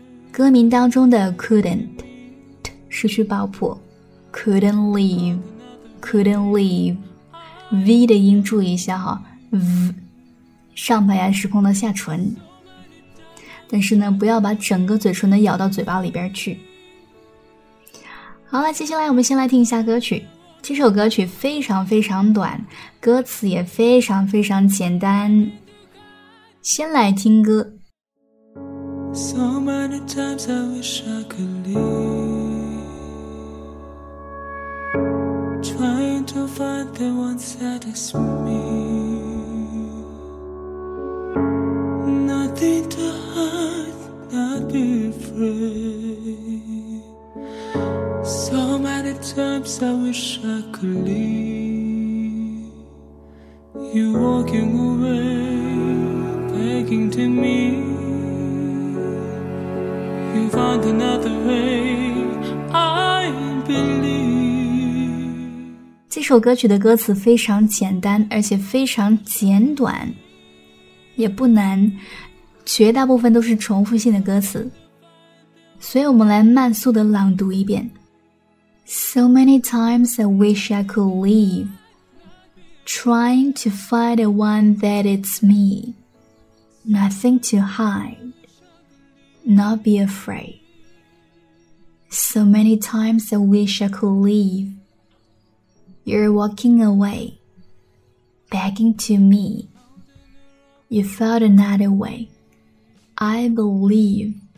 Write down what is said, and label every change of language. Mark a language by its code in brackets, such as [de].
[zh] 歌名当中的 Couldn't 失去爆破 Couldn't Leave Couldn't Leave V 的音注意一下哈 V 上排牙齿碰到下唇，但是呢不要把整个嘴唇呢咬到嘴巴里边去。好了，接下来我们先来听一下歌曲。这首歌曲非常非常短，歌词也非常非常简单，先来听歌。 [en] So many times I wish I could leave, trying to find the one that is me, nothing to hide, not be afraid. So many times I wish I could leave. You walking away, begging to me. You find another way, I believe. [zh] 这首歌曲的歌词非常简单，而且非常简短，也不难，绝大部分都是重复性的歌词，所以我们来慢速的朗读一遍。 [en] So many times I wish I could leave, trying to find the one that it's me, nothing to hide, not be afraid. So many times I wish I could leave, you're walking away, begging to me, you found another way, I believe.